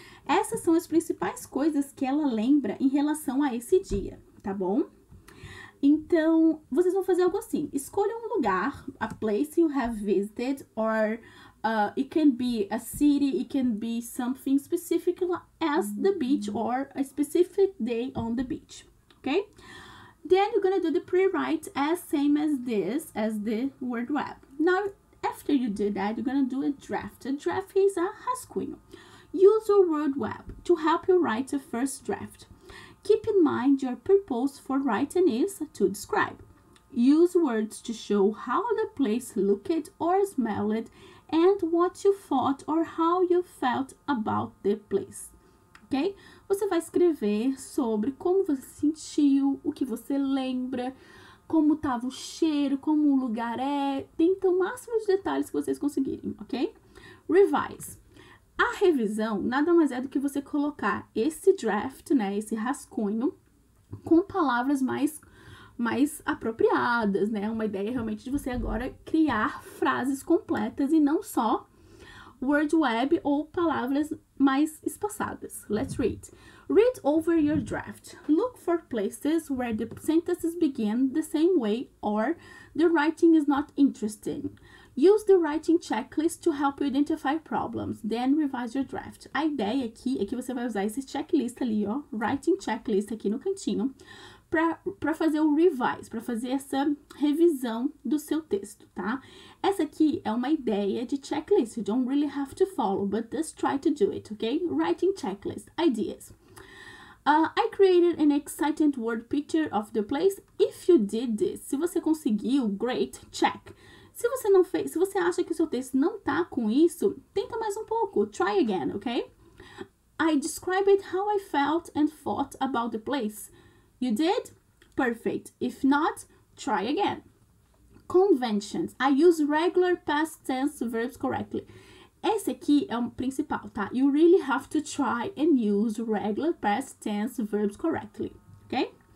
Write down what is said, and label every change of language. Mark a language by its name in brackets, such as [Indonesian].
[Portuguese] Essas são as principais coisas que ela lembra em relação a esse dia, tá bom? Então, vocês vão fazer algo assim. Escolha um lugar, [English] a place you have visited, or it can be a city, it can be something specific as the beach or a specific day on the beach, okay? Then you're gonna do the pre-write as same as this, as the word web. Now, after you do that, you're gonna do a draft. A draft is a rascunho. Use your word web to help you write a first draft. Keep in mind your purpose for writing is to describe. Use words to show how the place looked or smelled and what you thought or how you felt about the place. Ok? [Portuguese] Você vai escrever sobre como você sentiu, o que você lembra, como estava o cheiro, como o lugar é. Tenta o máximo de detalhes que vocês conseguirem, ok? Revise. A revisão nada mais é do que você colocar esse draft, né, esse rascunho, com palavras mais apropriadas, né? Uma ideia realmente de você agora criar frases completas e não só word web ou palavras mais espaçadas. [English] Let's read. Read over your draft. Look for places where the sentences begin the same way or the writing is not interesting. Use the writing checklist to help you identify problems, then revise your draft. [Portuguese] A ideia aqui é que você vai usar esse checklist ali, ó, writing checklist aqui no cantinho, para fazer o revise, para fazer essa revisão do seu texto, tá? Essa aqui é uma ideia de checklist, [English] you don't really have to follow, but just try to do it, okay? Writing checklist, ideas. I created an exciting word picture of the place. If you did this, [Portuguese] se você conseguiu, [English] great, check. [Portuguese] Se você não fez, se você acha que o seu texto não tá com isso, tenta mais um pouco, [English] try again, okay? I described how I felt and thought about the place. You did? Perfect. If not, try again. Conventions. I use regular past tense verbs correctly. [Portuguese] Esse aqui é o principal, tá? [English] You really have to try and use regular past tense verbs correctly, okay?